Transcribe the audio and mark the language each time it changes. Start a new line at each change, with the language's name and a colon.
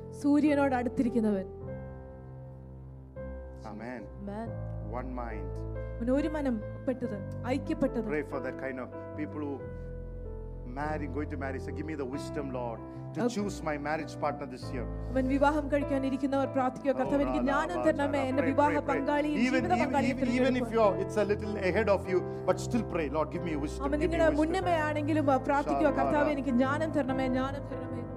Malayalam: സൂര്യനോട് അടുത്തിരിക്കുന്നവൻ.
English: Amen. Amen. One mind.
Malayalam: ഒരു മനം പെട്ടത് ഐക്യപ്പെട്ടത്.
English: Pray for that kind of people who marry, going to marry. Say, give me the wisdom, Lord, to choose my marriage partner this year.
Malayalam: When വിവാഹം കഴിക്കാൻ ഇരിക്കുന്നവർ പ്രാർത്ഥിക്കുക, കർത്താവേ എനിക്ക് ജ്ഞാനം തരണമേ എന്റെ വിവാഹ പങ്കാളി ജീവിത പങ്കാളി.
English: Even if you're, it's a little ahead of you, but still pray, Lord, give me wisdom.
Malayalam: അമ്മ നിങ്ങളുടെ മുന്നമേ ആണെങ്കിലും പ്രാർത്ഥിക്കുക, കർത്താവേ എനിക്ക് ജ്ഞാനം തരണമേ ജ്ഞാനം തരണമേ.